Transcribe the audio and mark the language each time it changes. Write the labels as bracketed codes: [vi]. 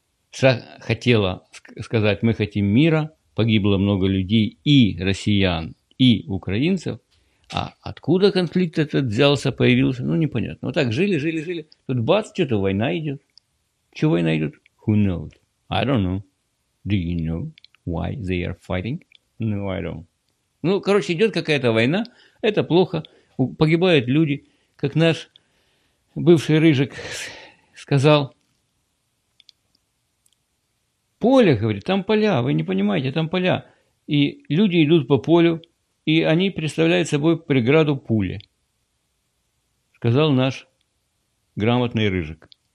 [ru] США хотела сказать, мы хотим мира, погибло много людей и россиян, и украинцев, а откуда конфликт этот взялся, появился, ну непонятно. Вот так жили, тут бац, что-то война идет. Чего война идет? [en] Who knows? I don't know. Do you know why they are fighting? No, I don't. [ru] Ну, короче, идет какая-то война, это плохо, погибают люди, как наш бывший Рыжик сказал. Поле, говорит, там поля, вы не понимаете, там поля. И люди идут по полю, и они представляют собой преграду пули, сказал наш грамотный Рыжик.